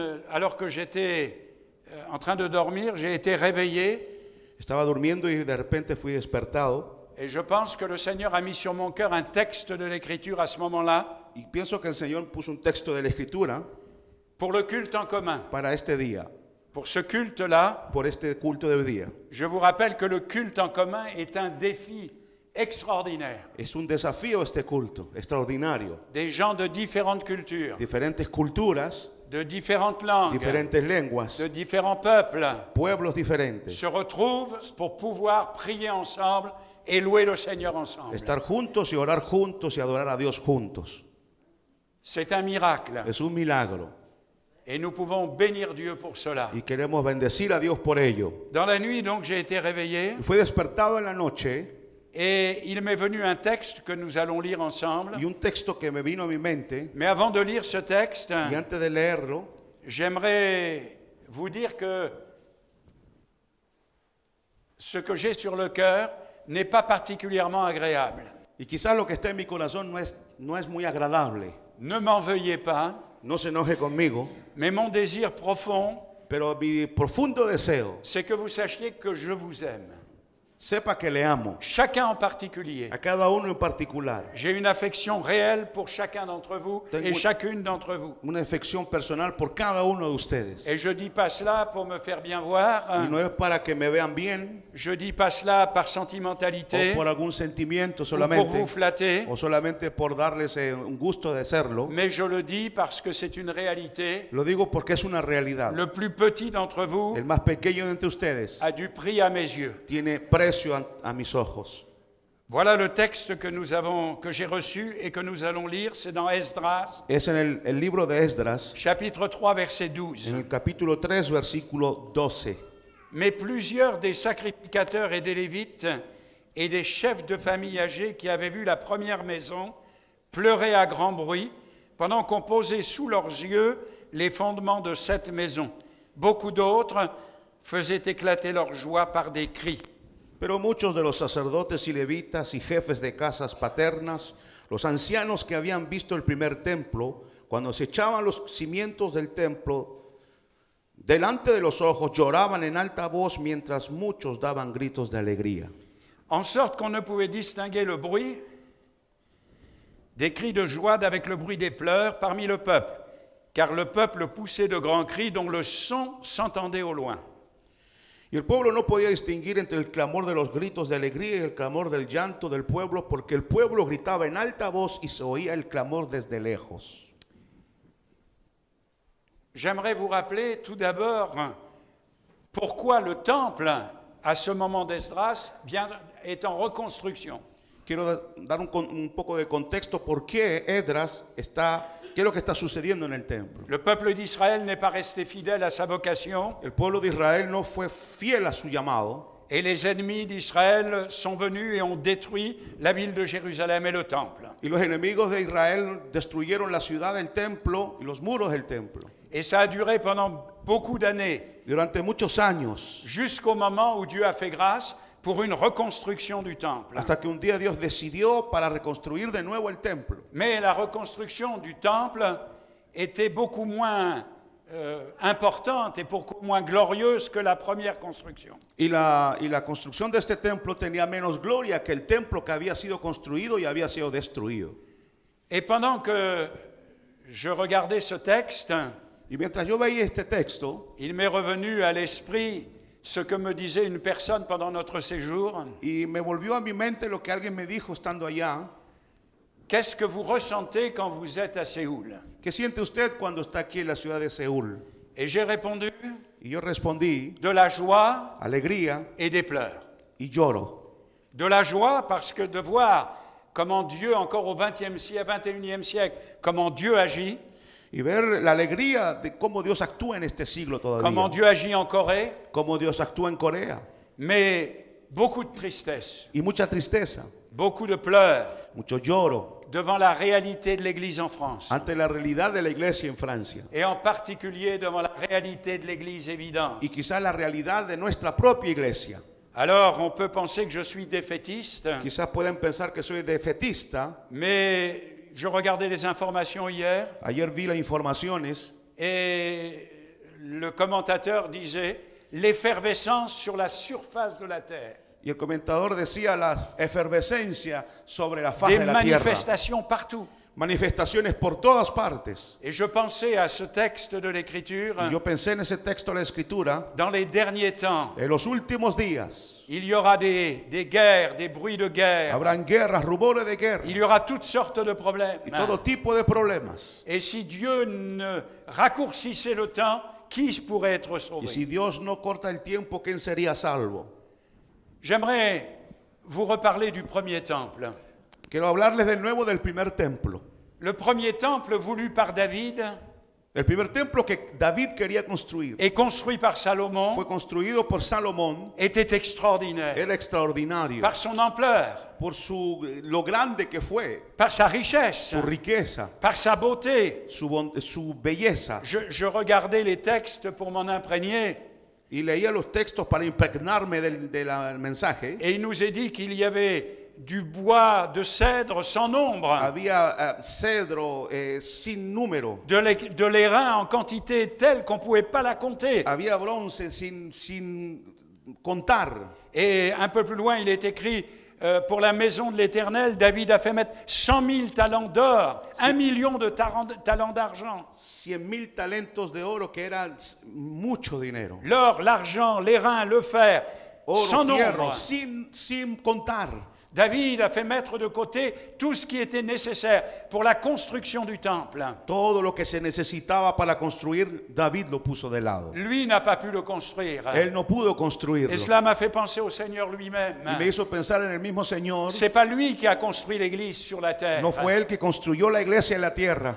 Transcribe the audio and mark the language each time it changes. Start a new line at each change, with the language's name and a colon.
French: Alors que j'étais en train de dormir, j'ai été réveillé.
Spanish: Estaba durmiendo y de repente fui despertado.
French: Et je pense que le Seigneur a mis sur mon cœur un texte de l'Écriture à ce moment-là.
Spanish: y pienso que el Señor puso un texto de la Escritura
French: pour le culte en commun.
Spanish: Para este día.
French: Pour ce culte-là,
Spanish: por este culto de hoy día.
French: Je vous rappelle que le culte en commun est un défi extraordinaire.
Spanish: Es un desafío este culto extraordinario.
French: Des gens de différentes cultures.
Spanish: Diferentes culturas.
French: De différentes langues.
Spanish: Diferentes lenguas.
French: De différents peuples.
Spanish: Pueblos diferentes.
French: Se retrouvent pour pouvoir prier ensemble et louer le Seigneur ensemble.
Spanish: Estar juntos y orar juntos y adorar a Dios juntos.
French: C'est un miracle.
Spanish: Es un milagro.
French: Et nous pouvons bénir Dieu pour cela.
Spanish: Y queremos bendecir a Dios por ello.
French: Dans la nuit donc j'ai été réveillé.
Spanish: Fui despertado en la noche.
French: Et il m'est venu un texte que nous allons lire ensemble.
Spanish: Y un texto que me vino a mi mente.
French: Mais avant de lire ce texte,
Spanish: y antes de leerlo,
French: j'aimerais vous dire que ce que j'ai sur le cœur n'est pas particulièrement agréable.
Spanish: Y quizás lo que está en mi corazón no es muy agradable.
French: Ne m'en veuillez pas.
Spanish: No se enoje conmigo.
French: Mais mon désir profond,
Spanish: pero mi profundo deseo,
French: c'est que vous sachiez que je vous aime.
Spanish: Sepa que le amo.
French: Chacun en particulier.
Spanish: A cada uno en particular.
French: J'ai une affection réelle pour chacun d'entre vous et chacune d'entre vous.
Spanish: Una afección personal por cada uno de ustedes.
French: Et je dis pas cela pour me faire bien voir.
Spanish: Y no es para que me vean bien.
French: Je dis pas cela par sentimentalité.
Spanish: O por algún sentimiento solamente.
French: Ou pour vous flatter.
Spanish: O solamente por darles un gusto de serlo.
French: Mais je le dis parce que c'est une réalité.
Spanish: Lo digo porque es una realidad.
French: Le plus petit d'entre vous.
Spanish: El más pequeño entre ustedes.
French: A du prix à mes yeux.
Spanish: Tiene a mis ojos.
French: Voilà le texte que nous avons, que j'ai reçu et que nous allons lire, c'est dans Esdras.
Spanish: Es en el libro de Esdras.
French: Chapitre 3, verset 12.
Spanish: En el capítulo 3, versículo 12.
French: Mais plusieurs des sacrificateurs et des lévites et des chefs de famille âgés qui avaient vu la première maison pleuraient à grand bruit pendant qu'on posait sous leurs yeux les fondements de cette maison. Beaucoup d'autres faisaient éclater leur joie par des cris.
Spanish: Pero muchos de los sacerdotes y levitas y jefes de casas paternas, los ancianos que habían visto el primer templo, cuando se echaban los cimientos del templo, delante de los ojos lloraban en alta voz mientras muchos daban gritos de alegría.
French: En sorte qu'on ne pouvait distinguer le bruit des cris de joie avec le bruit des pleurs parmi le peuple, car le peuple poussait de grands cris dont le son s'entendait au loin.
Spanish: Y el pueblo no podía distinguir entre el clamor de los gritos de alegría y el clamor del llanto del pueblo, porque el pueblo gritaba en alta voz y se oía el clamor desde lejos.
French: J'aimerais vous rappeler tout d'abord pourquoi le temple à ce moment d'Esdras est en reconstruction.
Spanish: Quiero dar un poco de contexto por qué Esdras está. ¿Qué es lo que está sucediendo en el templo?
French: Le peuple d'Israël n'est pas resté fidèle à sa vocation.
Spanish: El pueblo de Israel no fue fiel a su llamado.
French: Et les ennemis d'Israël sont venus et ont détruit la ville de Jérusalem et le temple.
Spanish: Y los enemigos de Israel destruyeron la ciudad, el templo y los muros del templo.
French: Et ça a duré pendant beaucoup d'années.
Spanish: Durante muchos años.
French: Jusqu'au moment où Dieu a fait grâce pour une reconstruction du temple.
Spanish: Hasta que un día Dios decidió para reconstruir de nuevo el templo.
French: Mais la reconstruction du temple était beaucoup moins importante et beaucoup moins glorieuse que la première construction.
Spanish: Y la construcción de este templo tenía menos gloria que el templo que había sido construido y había sido destruido.
French: Et pendant que je regardais ce texte,
Spanish: y mientras yo veía este texto,
French: il m'est revenu à l'esprit ce que me disait une personne pendant notre séjour.
Spanish: Y me volvió a mi mente lo que alguien me dijo estando allá.
French: Qu'est-ce que vous ressentez quand vous êtes à Séoul?
Spanish: ¿Qué siente usted cuando está aquí en la ciudad de Séoul?
French: Et j'ai répondu.
Spanish: Y yo respondí.
French: De la joie.
Spanish: Alegría.
French: Et des pleurs.
Spanish: Y lloro.
French: De la joie parce que de voir comment Dieu encore au 20e siècle, 21e siècle, comment Dieu agit.
Spanish: Y ver la alegría de cómo Dios actúa en este siglo todavía. Como Dios agit en Corea. Como Dios actúa en Corea.
French: Mais beaucoup de tristesse.
Spanish: Y mucha tristeza.
French: Beaucoup de pleurs.
Spanish: Mucho lloro.
French: Devant la réalité de l'Église en France.
Spanish: Ante la realidad de la Iglesia en Francia.
French: Et en particulier devant la réalité de l'Église évidente.
Spanish: Y quizás la realidad de nuestra propia Iglesia.
French: Alors, on peut penser que je suis défaitiste.
Spanish: Quizás pueden pensar que soy defetista.
French: Mais je regardais les informations hier.
Spanish: Ayer vi las informaciones.
French: Et le commentateur disait l'effervescence sur la surface de la terre.
Spanish: Y el comentador decía la efervescencia sobre la faz de la tierra.
French: Des manifestations partout.
Spanish: manifestaciones por todas partes.
French: Et je pensais à ce texte de l'Écriture.
Spanish: Yo pensé en ese texto de la Escritura.
French: Dans les derniers temps.
Spanish: En los últimos días.
French: Il y aura des guerres, des bruits de guerre.
Spanish: Habrán guerras, rumores de guerra.
French: Il y aura toutes sortes de problèmes.
Spanish: Y todo tipo de problemas.
French: Et si Dieu ne raccourcissait le temps, qui pourrait être sauvé?
Spanish: Y si Dios no corta el tiempo, ¿quién sería salvo?
French: J'aimerais vous reparler du premier temple.
Spanish: Quiero hablarles de nuevo del primer templo.
French: Le premier temple voulu par David.
Spanish: El primer templo que David quería construir.
French: Et construit par Salomon.
Spanish: Fue construido por Salomón.
French: Était extraordinaire.
Spanish: Era extraordinario.
French: Par son ampleur.
Spanish: Por su lo grande que fue.
French: Par sa richesse.
Spanish: Su riqueza.
French: Par sa beauté.
Spanish: Su belleza.
French: Je regardais les textes pour m'en imprégner.
Spanish: Y leía los textos para impregnarme del mensaje.
French: Et il nous est dit qu'il y avait du bois de cèdre sans nombre.
Spanish: Había cedro sin número.
French: De l'airain en quantité telle qu'on pouvait pas la compter.
Spanish: Había bronce sin contar.
French: Et un peu plus loin, il est écrit pour la maison de l'Éternel, David a fait mettre 100 000 talents d'or, 1 million de talents d'argent.
Spanish: 100 000 talentos de oro que era mucho dinero.
French: L'or, l'argent, l'airain, le fer,
Spanish: oro,
French: sans
Spanish: fierro,
French: nombre.
Spanish: Sin contar.
French: David a fait mettre de côté tout ce qui était nécessaire pour la construction du temple.
Spanish: Todo lo que se necesitaba para construir, David lo puso de lado.
French: Lui n'a pas pu le construire.
Spanish: Él no pudo construirlo.
French: Et cela m'a fait penser au Seigneur lui-même.
Spanish: Y me hizo pensar en el mismo Señor.
French: C'est pas lui qui a construit l'église sur la terre.
Spanish: No fue él que construyó la iglesia en la tierra.